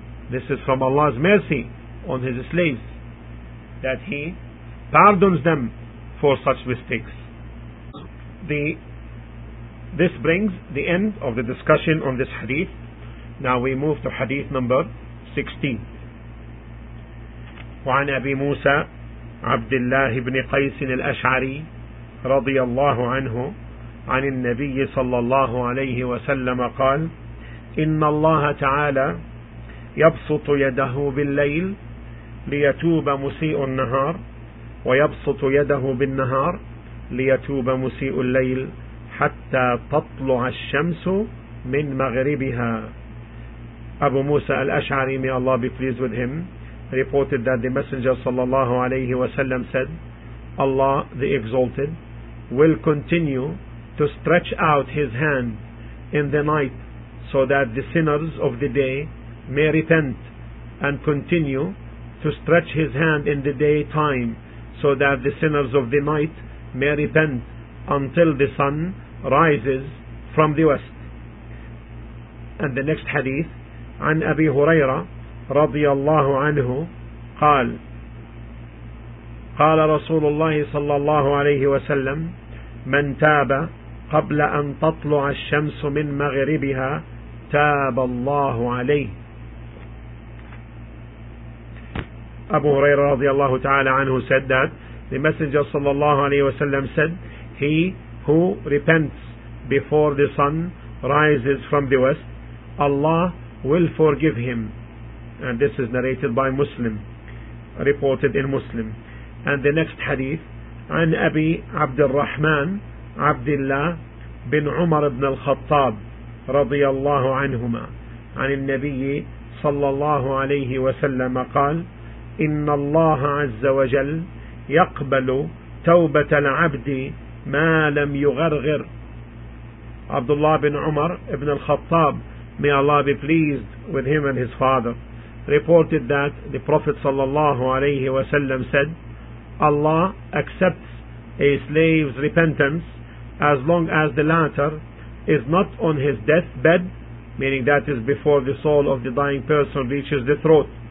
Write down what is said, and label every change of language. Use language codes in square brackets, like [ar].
[en] This is from Allah's mercy on His slaves, that He pardons them for such mistakes. This brings the end of the discussion on this hadith. Now we move to hadith number 16. [ar] وعن أبي موسى عبد الله بن قيس الأشعري رضي الله عنه عن النبي صلى الله عليه وسلم قال إن الله تعالى يبسط يده بالليل ليتوب مسيء النهار ويبسط يده بالنهار ليتوب مسيء الليل حتى تطلع الشمس من مغربها. [en] أبو موسى الأشعري, may Allah be pleased with him, reported that the Messenger sallallahu alayhi wa sallam said, Allah the Exalted will continue to stretch out His hand in the night so that the sinners of the day may repent, and continue to stretch His hand in the daytime so that the sinners of the night may repent until the sun rises from the west. And the next hadith, [ar] عن أبي هريرة رضي الله عنه قال قال رسول الله صلى الله عليه وسلم من تاب قبل أن تطلع الشمس من مغربها تاب الله عليه. [en] أبو هريرة رضي الله تعالى عنه said that the messenger صلى الله عليه وسلم said, he who repents before the sun rises from the west, Allah will forgive him. And this is narrated by Muslim, reported in Muslim. And the next hadith, [ar] عن أبي عبد الرحمن عبد الله بن عمر بن الخطاب رضي الله عنهما عن النبي صلى الله عليه وسلم قال إن الله عز وجل يقبل توبة العبد ما لم يغرغر. [en] عبد الله بن عمر بن الخطاب, may Allah be pleased with him and his father, reported that the Prophet sallallahu alayhi wa sallam said, Allah accepts a slave's repentance as long as the latter is not on his deathbed, meaning that is before the soul of the dying person reaches the throat.